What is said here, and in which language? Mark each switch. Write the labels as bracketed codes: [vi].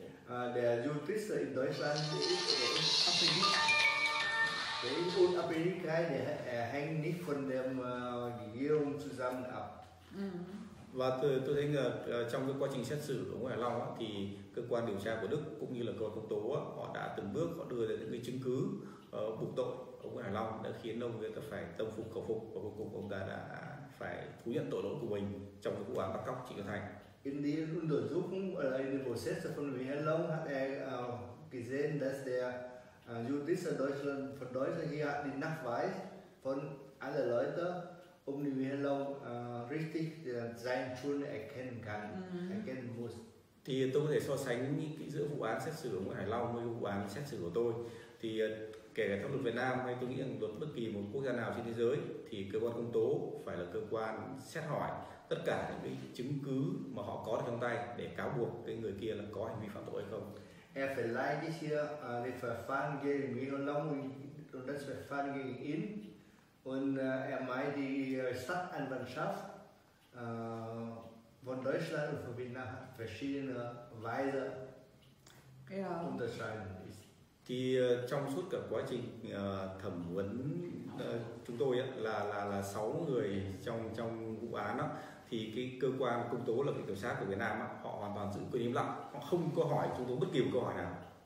[de] Der Justiz in Deutschland ist unabhängig, er hängt nicht von dem Regierung zusammen ab. [vi] Và tôi thấy trong cái quá trình xét xử của Nguyễn Hải Long thì cơ quan điều tra của Đức cũng như là cơ quan công tố họ đã từng bước họ đưa ra những cái chứng cứ buộc tội ông Nguyễn Hải Long đã khiến ông người ta phải tâm phục khẩu phục và cuối cùng ông ta đã phải thú nhận tội lỗi của mình trong cái vụ án bắt cóc chị Thu Thành. [de] In die Untersuchung oder in dem Prozess von Herrn Long hat er gesehen, dass der Justiz Deutschland von Deutschland hier hat den Nachweis von alle Leute, um den Herrn Long richtig seine Schuld erkennen kann, erkennen muss. [vi] Thì tôi có thể so sánh giữa vụ án xét xử của ông Hải Long với vụ án xét xử của tôi. Thì kể cả pháp luật Việt Nam hay tôi nghĩ rằng luật bất kỳ một quốc gia nào trên thế giới thì cơ quan công tố phải là cơ quan xét hỏi tất cả những cái chứng cứ mà họ có trong tay để cáo buộc cái người kia là có hành vi phạm tội hay không. [de] Er vielleicht ist hier der Verfahren gegen Herrn Long und das Verfahren gegen ihn und er meint die Staatsanwaltschaft von Deutschland und von Việt Nam verschiedene Weise unterscheiden ist. [vi] Thì trong suốt cả quá trình thẩm vấn chúng tôi ấy, là 6 người trong vụ án đó, thì cái cơ quan công tố là cái kiểm sát của Việt Nam ấy, họ hoàn toàn giữ quyền im lặng, họ không có hỏi chúng tôi bất kỳ một câu hỏi nào.